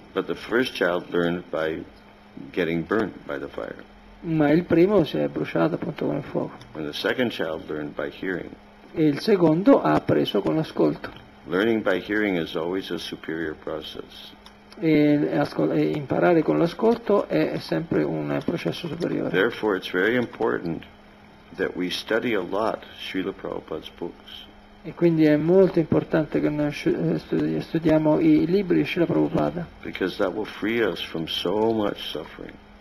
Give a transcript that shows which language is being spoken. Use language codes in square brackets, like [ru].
[en] But the first child learned by getting burnt by the fire. [it] Ma il primo si è bruciato appunto con il fuoco. [en] And the second child learned by hearing. [it] E il secondo ha appreso con l'ascolto. [en] Learning by hearing is always a superior process. [it] E imparare con l'ascolto è sempre un processo superiore. [en] Therefore, it's very important that we study a lot Srila Prabhupada's books. [it] E quindi è molto importante che noi studiamo i libri di Srila Prabhupada. [en] Because that will free us from so much suffering.